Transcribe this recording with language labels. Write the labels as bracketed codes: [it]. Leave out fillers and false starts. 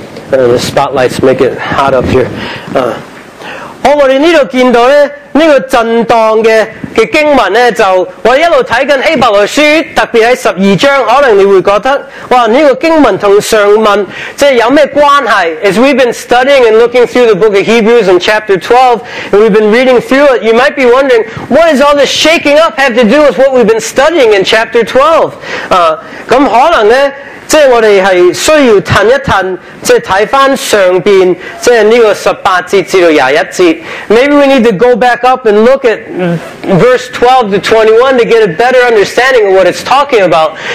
[en] The spotlights make it hot up here. [zh] 我们这里看到这个震荡的经文，就我一直在看希伯来书，特别在12章，可能你会觉得，哇，这个经文跟上文即是有什么关系？ [en] As we've been studying and looking through the book of Hebrews in chapter 12, and we've been reading through it, you might be wondering, what does all this shaking up have to do with what we've been studying in chapter 12? [zh] 可能呢， 即是我们是需要探一探，即是看回上边，即是这个18节至21节。 [en] Maybe we need to go back up and look at verse 12 to 21 to get a better understanding of what it's talking about.